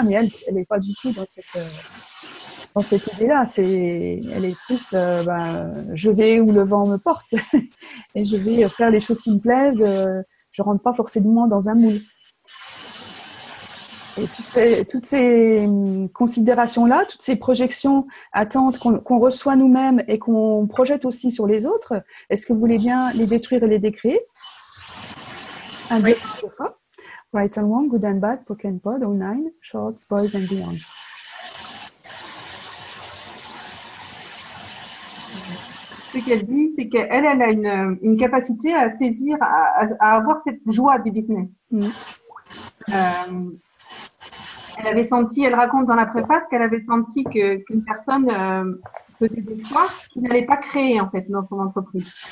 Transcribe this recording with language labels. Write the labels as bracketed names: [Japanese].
[French] Mais elle, elle n'est pas du tout dans cette... dans cette idée-là, c'est, elle est plus ben, je vais où le vent me porte et je vais faire les choses qui me plaisent, je ne rentre pas forcément dans un moule. Et toutes ces considérations-là, toutes ces projections, attentes qu'on reçoit nous-mêmes et qu'on projette aussi sur les autres, est-ce que vous voulez bien les détruire et les décrire? Un oui. Deux fois. [English] Right and wrong, good and bad, poke and pod, 09, shorts, boys and beyond. [French] Ce qu'elle dit, c'est qu'elle elle a une capacité à saisir, à avoir cette joie du business. Elle avait senti, elle raconte dans la préface qu'elle avait senti que, qu'une personne faisait des choix qui n'allait pas créer en fait dans son entreprise.